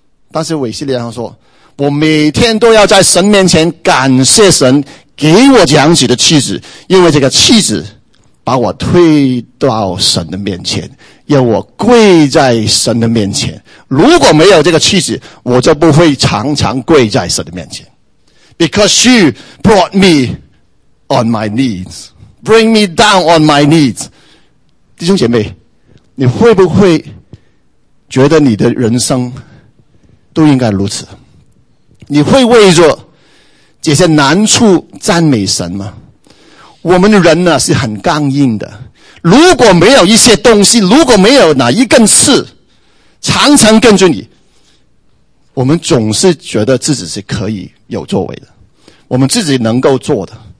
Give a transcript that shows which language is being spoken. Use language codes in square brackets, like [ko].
[zh] 但是韦西利亚说：“我每天都要在神面前感谢神给我这样子的妻子，因为这个妻子把我推到神的面前，要我跪在神的面前。如果没有这个妻子，我就不会常常跪在神的面前。” [en] Because she brought me on my knees, bring me down on my knees. [zh] 弟兄姐妹，你会不会觉得你的人生都应该如此？你会为着这些难处赞美神吗？我们的人呢是很刚硬的，如果没有一些东西，如果没有哪一根刺常常跟着你，我们总是觉得自己是可以有作为的，我们自己能够做的。